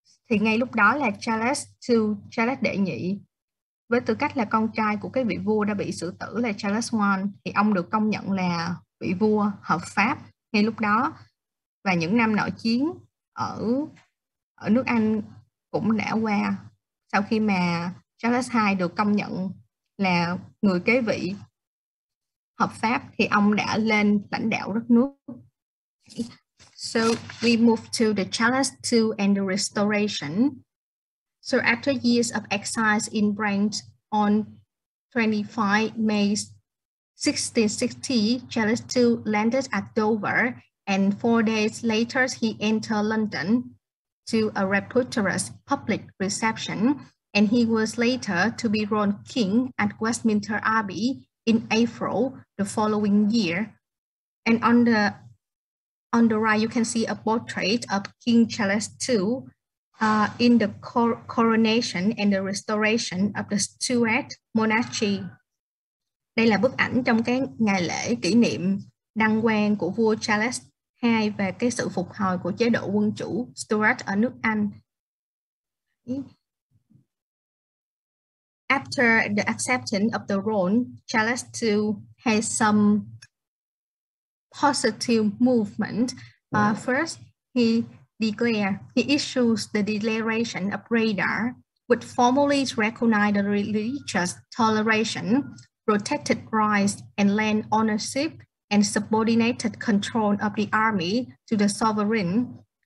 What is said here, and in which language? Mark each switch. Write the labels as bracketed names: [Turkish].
[Vietnamese] Thì ngay lúc đó là Charles đệ nhị, với tư cách là con trai của cái vị vua đã bị xử tử là Charles I, thì ông được công nhận là vị vua hợp pháp ngay lúc đó. Và những năm nội chiến ở nước Anh cũng đã qua sau khi mà Charles II được công nhận là người kế vị hợp pháp, thì ông đã lên lãnh đạo đất nước. [English] So we move to the Charles II and the restoration. So after years of exile in France, on 25 May 1660, Charles II landed at Dover, and 4 days later he entered London to a rapturous public reception, and he was later to be crowned king at Westminster Abbey in April the following year. And on the right, you can see a portrait of King Charles II in the coronation and the restoration of the Stuart monarchy. [Vietnamese] Đây là bức ảnh trong cái ngày lễ kỷ niệm đăng quang của vua Charles II và cái sự phục hồi của chế độ quân chủ Stuart ở nước Anh. [English] After the acceptance of the throne, Charles II has some positive movement. First, he issues the Declaration of Radar, which formally recognize the religious toleration, protected rights and land ownership, and subordinated control of the army to the sovereign.